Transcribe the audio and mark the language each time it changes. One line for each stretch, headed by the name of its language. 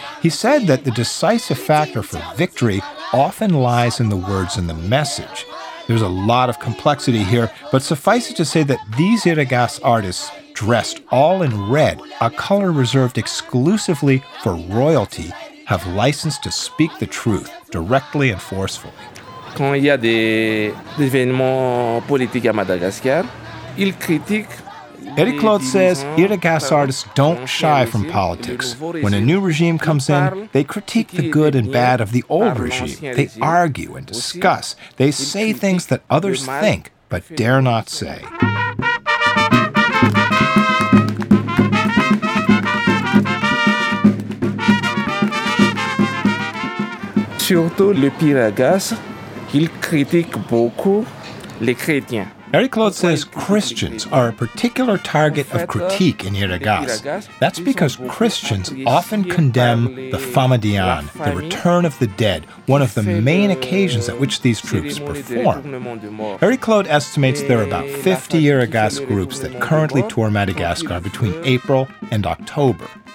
English: He said that the decisive factor for victory often lies in the words and the message. There's a lot of complexity here, but suffice it to say that these hiragas artists, dressed all in red, a color reserved exclusively for royalty, have license to speak the truth directly and forcefully.
French: Quand il y a des événements politiques à Madagascar, il critique.
English: Eric Claude says hiragas artists don't shy from politics. When a new regime comes in, they critique the good and bad of the old regime. They argue and discuss. They say things that others think but dare not say. Mm-hmm.
French: surtout le Père Lagasse, il critique beaucoup les chrétiens.
English: Marie-Claude says Christians are a particular target of critique in Iragas. That's because Christians often condemn the Famadian, the return of the dead, one of the main occasions at which these troops perform. Marie-Claude estimates there are about 50 Iragas groups that currently tour Madagascar between April and October.